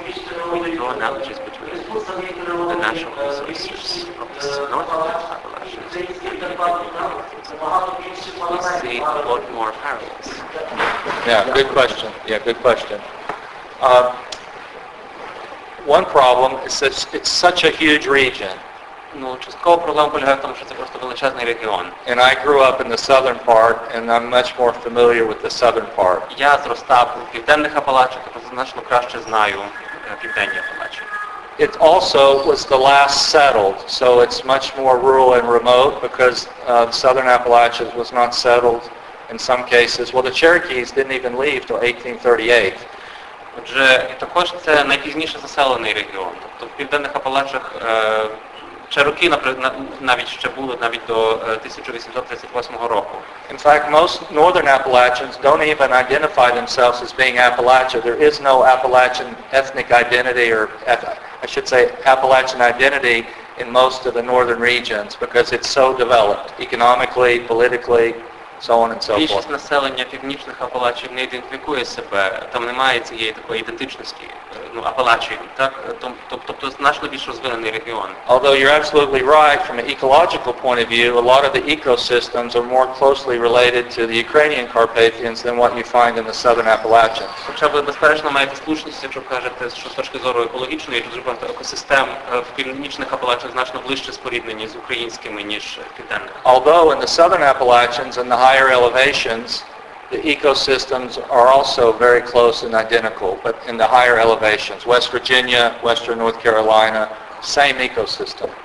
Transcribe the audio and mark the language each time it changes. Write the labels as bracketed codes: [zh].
[en] We draw analogies between the national resources of the northern populations and the Balkans. We see a lot more parallels. Yeah, good question. Yeah, good question. One problem is that it's such a huge region. [uk] Ну, часткова проблема полягає в тому, що це просто величезний регіон. [en] And I grew up in the southern part, and I'm much more familiar with the southern part. [uk] Я зростав у південних Апалачах, тобто значно краще знаю південні Апалачі. [en] It also was the last settled, so it's much more rural and remote, because southern Appalachians was not settled in some cases. Well, the Cherokees didn't even leave till 1838. [uk] Отже, і також це найпізніше заселений регіон. Тобто в південних Апалачах Чероки навіть ще були навіть до 1838 року. [en] In fact, most northern Appalachians don't even identify themselves as being Appalachian. There is no Appalachian ethnic identity, or I should say Appalachian identity in most of the northern regions, because it's so developed economically, politically, so on and so forth. [uk] Більшість населення північних Апалачів не ідентифікує себе, там немає цієї такої ідентичності, ну, Апалачів, так? Тобто значно більш розвинений регіон. [en] Although you're absolutely right, from an ecological point of view, a lot of the ecosystems are more closely related to the Ukrainian Carpathians than what you find in the southern Appalachians. [uk] Хоча ви безперечно маєте слушність, якщо кажете, що з точки зору екологічної, дуже багато екосистем в північних Апалачах значно ближче споріднені з українськими, ніж в південних. [en] Although in the southern Appalachians, in the higher elevations, the ecosystems are also very close and identical, but in the higher elevations, West Virginia, Western North Carolina, same ecosystem.